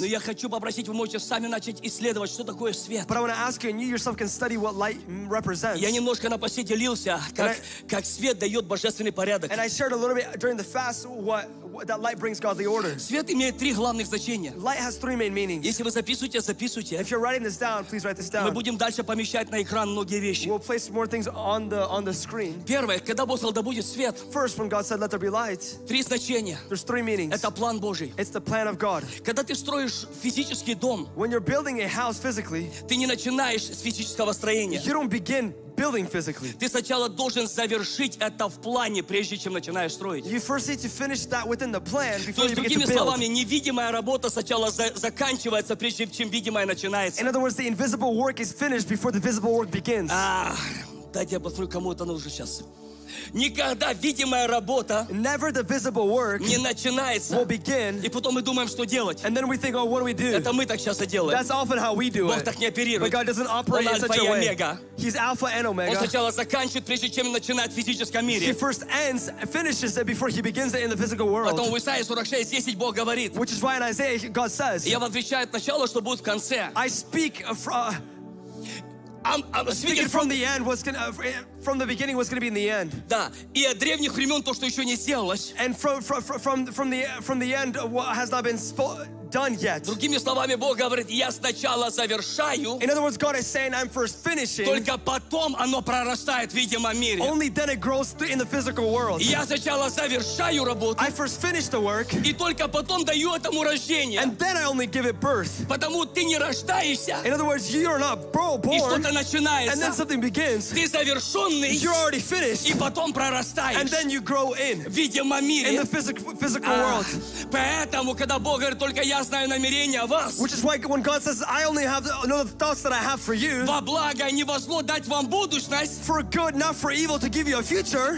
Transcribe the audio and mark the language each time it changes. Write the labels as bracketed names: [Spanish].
[Russian] Но я хочу попросить, вы можете сами начать исследовать, что такое свет. [English] But I want to ask you, and you yourself can study what light represents. [Russian] Я немножко на посте делился, как свет дает божественный порядок. [English] And I shared a little bit during the fast what that light brings godly order. [Russian] Свет имеет три главных значения. [English] Light has three main meanings. [Russian] Если вы записываете, записывайте. [English] If you're writing this down, please write this down. [Russian] Мы будем дальше помещать на экран многие вещи. [English] We'll place more things on the screen. [Russian] Первое, когда Бог сказал, да будет свет. [English] First, when God said, let there be light. [Russian] Три значения. [English] There's three meanings. [Russian] Это план Божий. [English] It's the plan of God. [Russian] Когда ты строишь физический дом. [English] When you're building a house physically, [Russian] ты не начинаешь с физического строения. [English] You don't begin building physically. [Russian] Ты сначала должен завершить это в плане, прежде чем начинаешь строить. [English] You first need to finish that within the plan before you begin to build. [Russian] То есть, другими словами, невидимая работа сначала заканчивается, прежде чем видимая начинается. [English] In other words, the invisible work is finished before the visible work begins. [Russian] Дайте я посмотрю, кому это нужно сейчас. Никогда видимая работа [English] never the visible work [Russian] не начинается [English] will begin, [Russian] и потом мы думаем, что делать. [English] And then we think, oh, what do we do? [Russian] Это мы так сейчас и делаем. [English] That's often how we do [Russian] Бог Бог так не оперирует. [English] But God doesn't operate [Russian] Он альфа [English] in such [Russian] и омега. [English] He's alpha and omega. [Russian] Он сначала заканчивает, прежде чем начинает в физическом мире. [English] He first ends, finishes it before he begins it in the physical world. [Russian] Потом в Исаии 46:10 Бог говорит. [English] Which is why in Isaiah God says. [Russian] Я возвещаю начало, что будет в конце. [English] I speak from I'm speaking from the end. From the beginning, what's going to be in the end? [Russian] Да. И от древних времен то, что еще не сделалось. [English] And from the end, what has not been done yet. [Russian] Другими словами, Бог говорит, я сначала завершаю. [English] In other words, God is saying, I'm first finishing. [Russian] Только потом оно прорастает в видимом мире. [English] Only then it grows in the physical world. [Russian] Я сначала завершаю работу. [English] I first finish the work. [Russian] И только потом даю этому рождение. [English] And then I only give it birth. [Russian] Потому ты не рождаешься. [English] In other words, you are not born. [Russian] И что-то начинается. [English] And then something begins. [Russian] Ты завершенный. [English] You're already finished. [Russian] И потом прорастаешь. [English] And then you grow in. [Russian] В видимом мире. [English] In the physical world. [Russian] Поэтому, когда Бог говорит, только я знаю намерения вас. [English] Which is why when God says, I only have the thoughts that I have for you. [Russian] Во благо, не во зло, дать вам будущность. [English] For good, not for evil, to give you a future.